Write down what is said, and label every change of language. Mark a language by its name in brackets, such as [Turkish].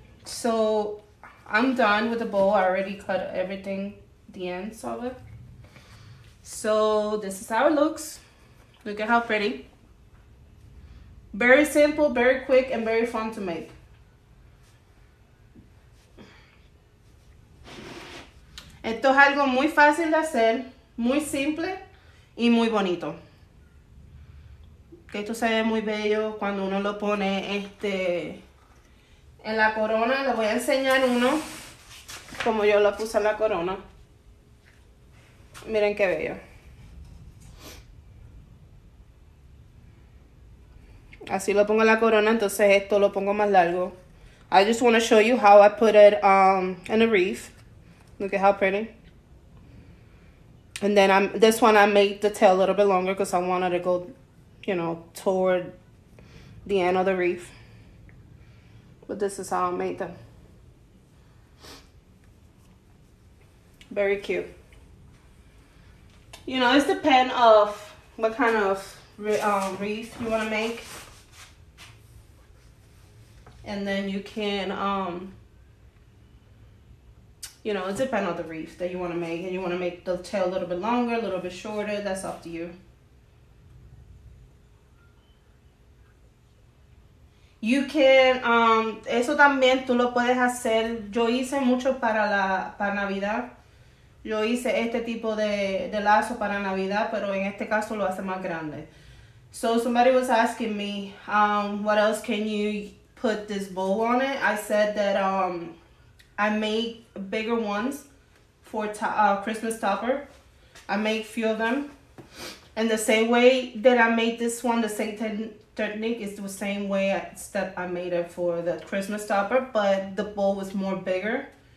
[English] So, I'm done with the bowl. I already cut everything, the ends of it. So this is how it looks. Look at how pretty. Very simple, very quick, and very fun to make. [Spanish] Esto es algo muy fácil de hacer, muy simple y muy bonito. Esto se ve muy bello cuando uno lo pone en la corona. Le voy a enseñar uno, como yo lo puse en la corona. Miren qué bello. Así lo pongo en la corona, entonces esto lo pongo más largo. [English] I just want to show you how I put it in a wreath. Look at how pretty. And then this one I made the tail a little bit longer because I wanted to go, you know, toward the end of the wreath. But this is how I made them. Very cute. You know, it's depend of what kind of wreath you want to make. And then you can, you know, it depends on the wreath that you want to make. And you want to make the tail a little bit longer, a little bit shorter. That's up to you. You can, [Spanish] eso también tú lo puedes hacer. Yo hice mucho para Navidad. Yo hice este tipo de lazo para Navidad, pero en este caso lo hace más grande. [English] So somebody was asking me, what else can you put this bow on it? I said that I make bigger ones for Christmas topper. I make few of them. And the same way that I made this one, the same technique is the same way step I made it for the Christmas topper, but the bow was more bigger.